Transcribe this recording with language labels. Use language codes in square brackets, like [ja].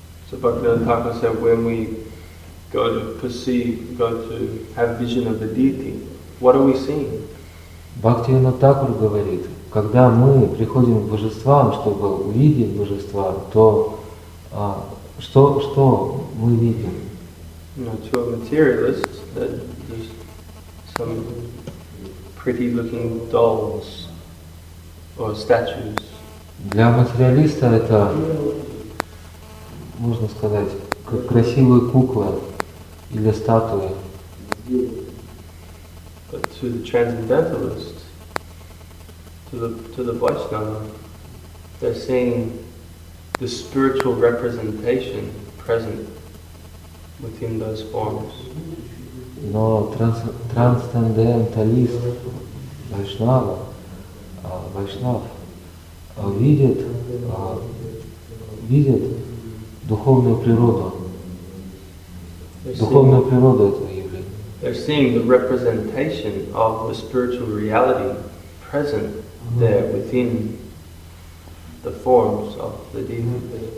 [en] So Bhaktivinoda Thakur said, when we go to perceive, go to have vision of the deity, what are we seeing? [ru] Бхактивинода Такур говорит, когда мы приходим к божествам, чтобы увидеть божества, то что мы видим? [en] No, to a materialist, that there's some pretty looking dolls or statues. [ru] Для материалиста это, можно сказать, как красивые куклы или статуи. [en] But to the transcendentalist, to the Vaishnava, they're seeing the spiritual representation present within those forms. [ru] Но трансценденталист Вайшнава, Вайшнав, видит духовную природу. Духовную природу этого явления. [en] They're seeing the representation of the spiritual reality present there within the forms of the deity.